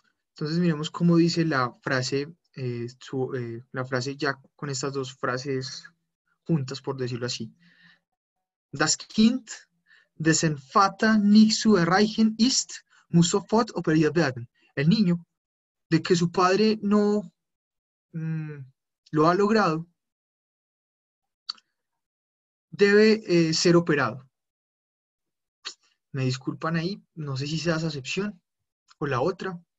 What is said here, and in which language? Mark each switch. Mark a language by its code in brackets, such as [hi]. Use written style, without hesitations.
[es] Entonces miremos cómo dice la frase, la frase ya con estas dos frases juntas, por decirlo así. [de] Das Kind, dessen Vater nicht zu erreichen ist, muss sofort operiert werden. [es] El niño, de que su padre no lo ha logrado, debe ser operado. Me disculpan ahí, no sé si sea esa acepción o la otra.